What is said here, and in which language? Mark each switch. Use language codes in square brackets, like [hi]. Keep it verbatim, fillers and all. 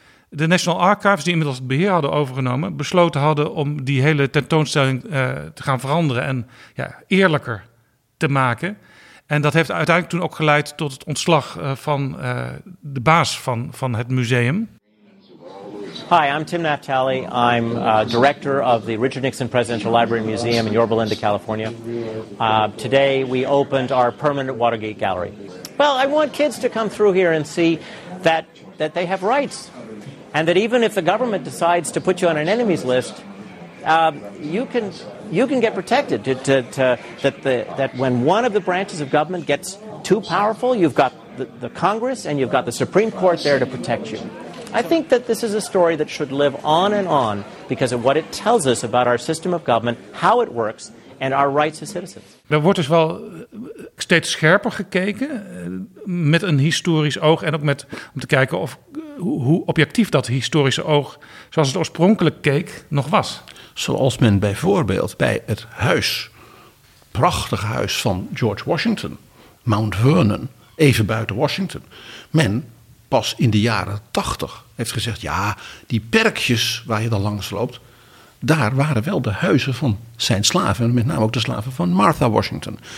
[nl] de National Archives, die inmiddels het beheer hadden overgenomen, besloten hadden om die hele tentoonstelling uh, te gaan veranderen en ja, eerlijker te maken. En dat heeft uiteindelijk toen ook geleid tot het ontslag uh, van uh, de baas van, van het museum. [en] Hi, I'm Tim Naftali. I'm uh, director of the Richard Nixon Presidential Library and Museum in Yorba Linda, California. Uh, today we opened our permanent Watergate Gallery. Well, I want kids to come through here and see that, that they have rights. And that even if the government decides to put you on an enemies list, uh, you can you can get protected. To, to, to, that the, that when one of the branches of government gets too powerful, you've got the, the Congress and you've got the Supreme Court there to protect you. I think that this is a story that should live on and on because of what it tells us about our system of government, how it works, and our rights as citizens. [nl] Er wordt dus wel steeds scherper gekeken, met een historisch oog en ook met om te kijken of hoe objectief dat historische oog, zoals het oorspronkelijk keek, nog was. Zoals men bijvoorbeeld bij het huis, prachtige huis van George Washington, Mount Vernon, even buiten Washington, men pas in de jaren tachtig heeft gezegd, ja, die perkjes waar je dan langs loopt, daar waren wel de huizen van zijn slaven, met name ook de slaven van Martha Washington.